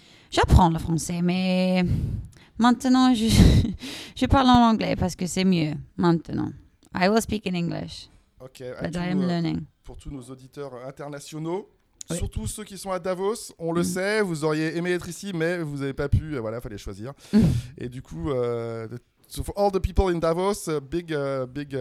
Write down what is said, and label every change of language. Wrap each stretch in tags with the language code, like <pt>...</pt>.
<fr>J'apprends le français, mais. Maintenant, je parle en anglais parce que c'est mieux. Maintenant,</fr> <en>I will speak in English. Ok. But I am learning.</en> <fr>Pour tous nos auditeurs internationaux, oui. Surtout ceux qui sont à Davos, on le sait, vous auriez aimé être ici, mais vous n'avez pas pu. Voilà, fallait choisir. Et du coup,</fr> <en>so for all the people in Davos, big up.</en>